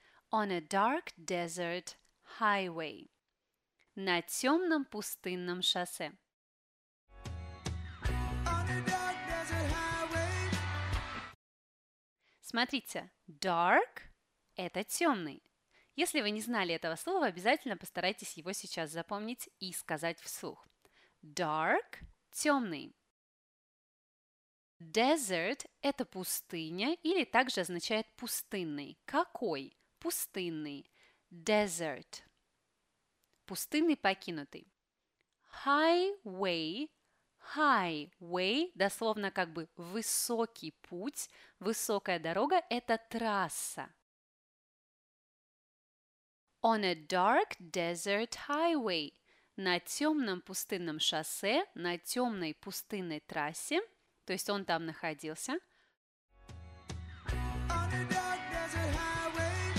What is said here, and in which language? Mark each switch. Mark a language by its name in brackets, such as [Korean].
[English] On a dark desert highway. [Russian] На темном пустынном шоссе. [English] On a dark desert highway. [Russian] Смотрите, dark – это темный. Если вы не знали этого слова, обязательно постарайтесь его сейчас запомнить и сказать вслух. Dark – темный. Desert – это пустыня или также означает пустынный. Какой? Пустынный. Desert. Пустынный, покинутый. Highway. Highway – дословно как бы высокий путь, высокая дорога – это трасса. [English] On a dark desert highway. [Russian] На темном пустынном шоссе, на темной пустынной трассе. То есть он там находился. [English] On a dark desert highway.